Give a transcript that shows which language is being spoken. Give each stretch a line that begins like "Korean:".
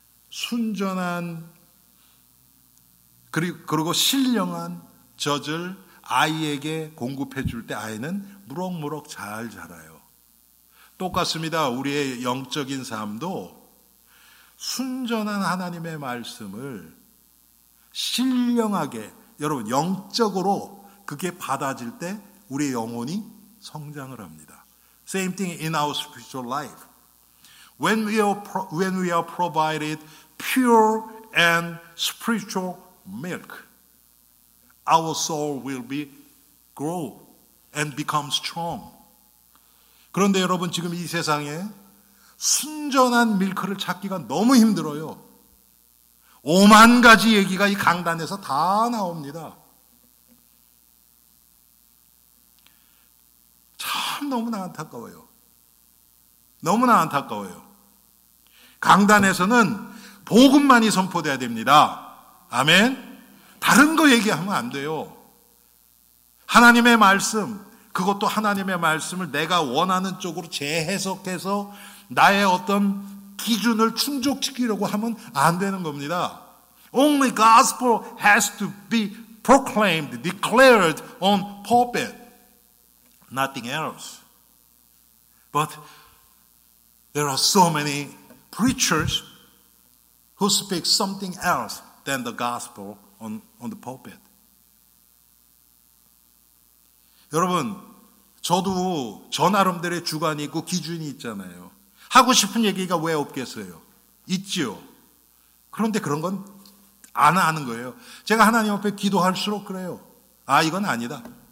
Korean: 순전한 그리고 신령한 젖을 아이에게 공급해 줄 때 아이는 무럭무럭 잘 자라요. 똑같습니다. 우리의 영적인 삶도 순전한 하나님의 말씀을 신령하게, 여러분 영적으로 그게 받아질 때 우리의 영혼이 성장을 합니다.
English: Same thing in our spiritual life. When we are provided pure and spiritual milk, our soul will be grow and become strong.
Korean: 그런데 여러분, 지금 이 세상에 순전한 밀크를 찾기가 너무 힘들어요. 5만 가지 얘기가 이 강단에서 다 나옵니다. 참 너무나 안타까워요. 너무나 안타까워요. 강단에서는 복음만이 선포돼야 됩니다. 아멘. 다른 거 얘기하면 안 돼요. 하나님의 말씀, 그것도 하나님의 말씀을 내가 원하는 쪽으로 재해석해서 나의 어떤 기준을 충족시키려고 하면 안 되는 겁니다.
English: Only gospel has to be proclaimed, declared on pulpit. Nothing else. But there are so many preachers who speak something else than the gospel on the pulpit.
Korean: 여러분, 저도 저 나름대로의 주관이 있고 기준이 있잖아요. 하고 싶은 얘기가 왜 없겠어요? 있지요. 그런데 그런 건 안 하는 거예요. 제가 하나님 앞에 기도할수록 그래요. 아, 이건 아니다.